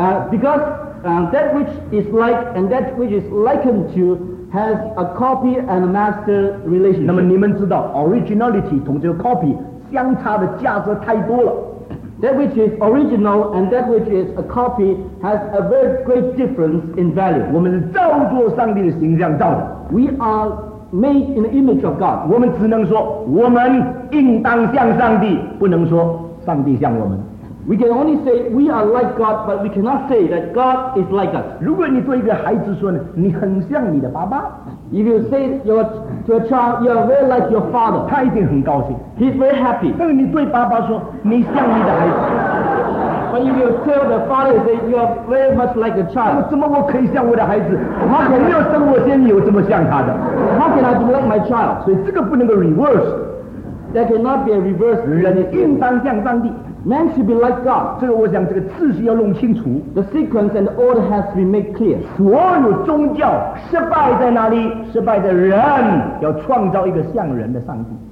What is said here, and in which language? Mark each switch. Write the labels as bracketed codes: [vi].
[en] because that which is like and that which is likened to has a copy and a master relationship. [zh] 那么你们知道 originality 同这个 copy 相差的价值太多了。 [en] That which is original and that which is a copy has a very great difference in value. [zh] 我们是照着上帝的形象造的。 [en] We are made in the image of God. [zh] 我们只能说我们应当像上帝，不能说上帝像我们。 [en] We can only say we are like God, but we cannot say that God is like us. [zh] 如果你对一个孩子说呢，你很像你的爸爸。 [en] If you say to a child, you are very like your father, [zh] 他一定很高兴。 [en] He's very happy. [zh] 但是你对爸爸说，你像你的孩子。 [en] But if you tell the father, say you are very much like a child. [zh] 怎么我可以像我的孩子？他肯定要生我先有这么像他的。 [en] How can I be like my child? [zh] 所以这个不能够 reverse. [en] There cannot be a reverse. [zh] 人应当像上帝。 [en] Man should be like God. [zh] 这个我想这个次序要弄清楚。 [en] The sequence and the order has to be made clear. [zh] 所有宗教失败在哪里？失败在人要创造一个像人的上帝。